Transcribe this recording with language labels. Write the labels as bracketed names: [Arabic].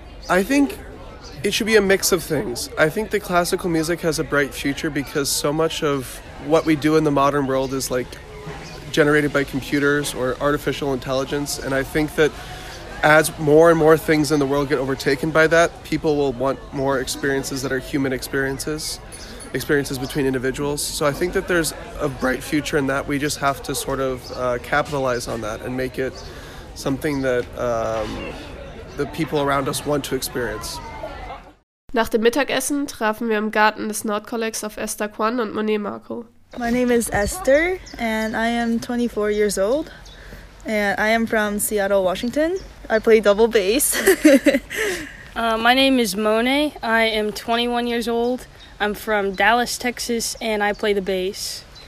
[English] I think it should be a mix of things. I think that classical music has a bright future because so much of what we do in the modern world is like generated by computers or artificial intelligence, and I think that as more and more things in the world get overtaken by that, people will want more experiences that are human experiences, experiences between individuals. So I think that there's a bright future in that. We just have to sort of capitalize on that and make it something that the people around us want to experience. [German] Nach dem Mittagessen trafen wir im Garten des Nordkollegs auf Esther Kwan und Monet Marco. [English] My name is Esther and I am 24 years old. And I am from Seattle, Washington. I play double bass. My name is Monet. I am 21 years old. I'm from Dallas, Texas, and I play the bass.